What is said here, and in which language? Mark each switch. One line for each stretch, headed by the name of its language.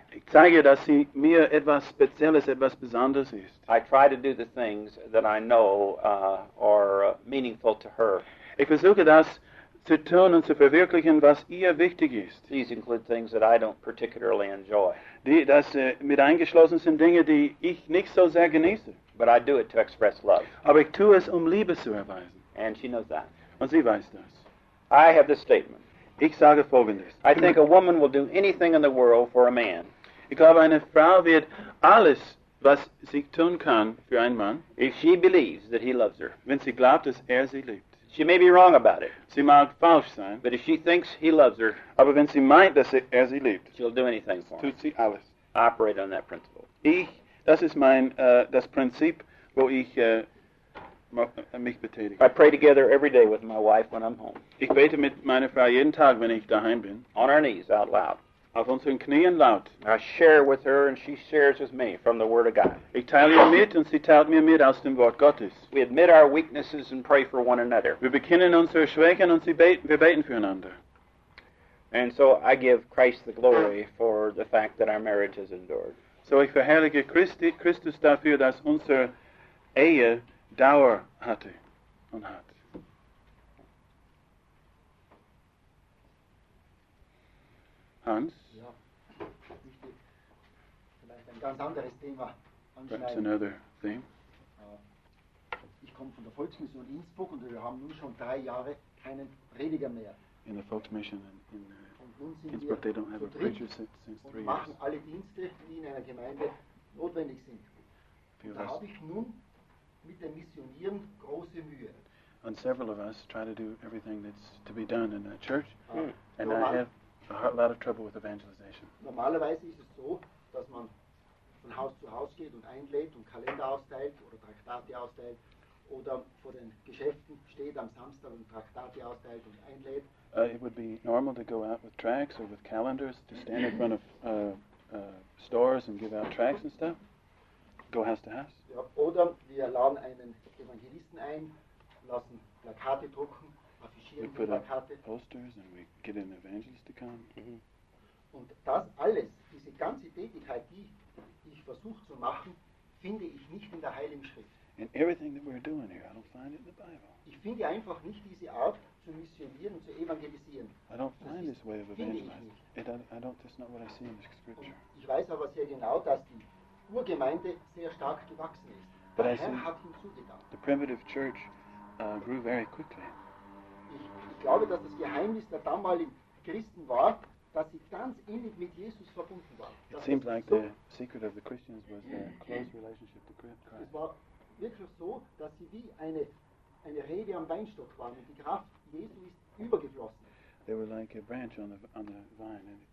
German: Ich zeige, dass sie mir etwas Spezielles, etwas Besonderes ist.
English: I try to do the things that I know are meaningful to her.
German: Ich versuche das zu tun und zu verwirklichen, was ihr wichtig ist.
English: These include things that I don't particularly enjoy.
German: Mit eingeschlossen sind Dinge, die ich nicht so sehr genieße.
English: But I do it to express love.
German: Aber ich tue es, Liebe zu erweisen.
English: And she knows that.
German: Und sie weiß das.
English: I have this statement.
German: Ich sage Folgendes.
English: I think a woman will do anything in the world for a man.
German: Ich glaube, eine Frau wird alles, was sie tun kann für einen Mann,
English: if she believes that he loves her.
German: Wenn sie glaubt, dass sie liebt.
English: She may be wrong about it.
German: Sie mag falsch sein.
English: But if she thinks he loves her,
German: aber wenn sie meint, dass sie liebt,
English: she'll do anything for him.
German: Tut sie alles.
English: Operate on that principle.
German: Das ist mein das Prinzip, wo ich mich betätige.
English: I pray together every day with my wife when I'm home.
German: Ich bete mit meiner Frau jeden Tag, wenn ich daheim bin.
English: On our knees, out loud.
German: Auf unseren Knien laut.
English: I share with her and she shares with me from the Word of God.
German: Ich teile ihr mit und sie teilt mir mit aus dem Wort Gottes.
English: We admit our weaknesses and pray for one another.
German: Wir bekennen unsere Schwächen und wir beten füreinander.
English: And so I give Christ the glory for the fact that our marriage has endured.
German: So ich verherrliche Christus dafür, dass unsere Ehe Dauer hatte und hat. Hans? Ja. Ich möchte vielleicht ein ganz anderes Thema anschneiden.
English: That's another theme.
German: Ich komme von der Volksmission Innsbruck und wir haben nun schon 3 Jahre keinen Prediger mehr.
English: In the Volksmission in Innsbruck, they don't have a preacher since 3 years.
German: Wir machen alle Dienste, die in einer Gemeinde notwendig sind. Da habe ich nun mit dem Missionieren große Mühe.
English: And several of us try to do everything that's to be done in a church. And I have a lot of trouble with evangelization.
German: Normalerweise ist es so, dass man von Haus zu Haus geht und einlädt und Kalender austeilt oder Traktate austeilt oder vor den Geschäften steht am Samstag und Traktate austeilt und einlädt.
English: It would be normal to go out with tracts or with calendars to stand in front of stores and give out tracts and stuff. Go house to house.
German: Ja, oder wir laden einen Evangelisten ein, lassen Plakate drucken, affichieren
English: we put
German: Plakate.
English: Up posters and we get an evangelist to come. Mm-hmm.
German: Und das alles, diese ganze Tätigkeit, die ich versuche zu machen, finde ich nicht in der Heiligen Schrift.
English: And everything that we're doing here, I don't find it in the Bible.
German: Ich finde einfach nicht diese Art, zu missionieren und zu evangelisieren.
English: I don't find this way of evangelizing. I don't. That's not what I see in the scripture.
German: Und ich weiß aber sehr genau, dass die Urgemeinde sehr stark gewachsen ist.
English: But
German: der
English: I see
German: Herr hat hinzugedacht.
English: The primitive church grew very quickly.
German: Ich glaube, dass das Geheimnis der damaligen Christen war, dass sie ganz innig mit Jesus verbunden waren.
English: It seems like the secret of the Christians was their close relationship to Christ.
German: Es war wirklich so, dass sie wie eine Rebe am Weinstock waren und die Kraft Jesu ist übergeflossen.
English: They were like a branch on the vine.